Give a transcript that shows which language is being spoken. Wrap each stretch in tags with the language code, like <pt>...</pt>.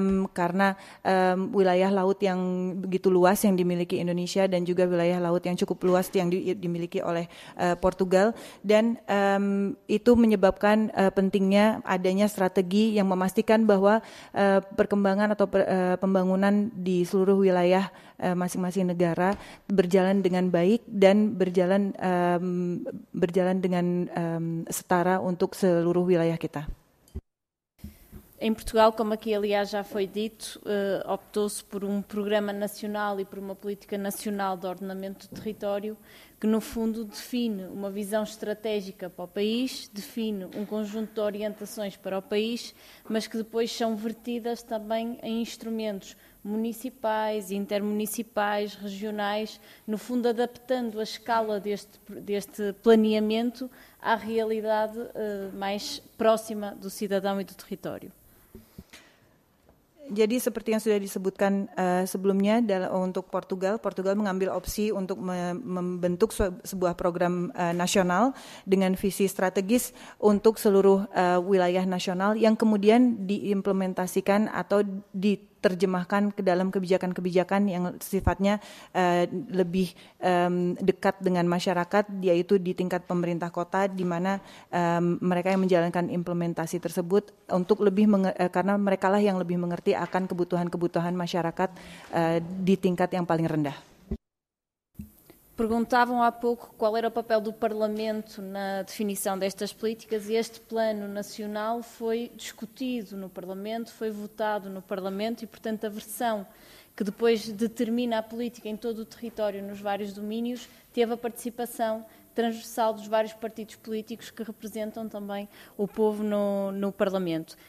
<id>karena wilayah laut yang begitu luas yang dimiliki Indonesia dan juga wilayah laut yang cukup luas yang dimiliki oleh Portugal dan itu menyebabkan pentingnya adanya strategi yang memastikan bahwa perkembangan atau pembangunan di seluruh wilayah masing-masing negara berjalan dengan baik dan berjalan dengan setara untuk seluruh wilayah kita.</id> <pt>Em Portugal, como aqui aliás já foi dito, optou-se por um programa nacional e por uma política nacional de ordenamento do território que no fundo define uma visão estratégica para o país, define um conjunto de orientações para o país, mas que depois são vertidas também em instrumentos municipais, intermunicipais, regionais, no fundo adaptando a escala deste planeamento à realidade mais próxima do cidadão e do território.</pt> <id>Jadi seperti yang sudah disebutkan sebelumnya untuk Portugal mengambil opsi untuk membentuk sebuah program nasional dengan visi strategis untuk seluruh wilayah nasional yang kemudian diimplementasikan atau diterjemahkan ke dalam kebijakan-kebijakan yang sifatnya lebih dekat dengan masyarakat, yaitu di tingkat pemerintah kota, di mana mereka yang menjalankan implementasi tersebut untuk lebih karena mereka lah yang lebih mengerti akan kebutuhan-kebutuhan masyarakat di tingkat yang paling rendah.</id> <pt>Perguntavam há pouco qual era o papel do Parlamento na definição destas políticas e este plano nacional foi discutido no Parlamento, foi votado no Parlamento e, portanto, a versão que depois determina a política em todo o território, nos vários domínios, teve a participação transversal dos vários partidos políticos que representam também o povo no Parlamento.</pt>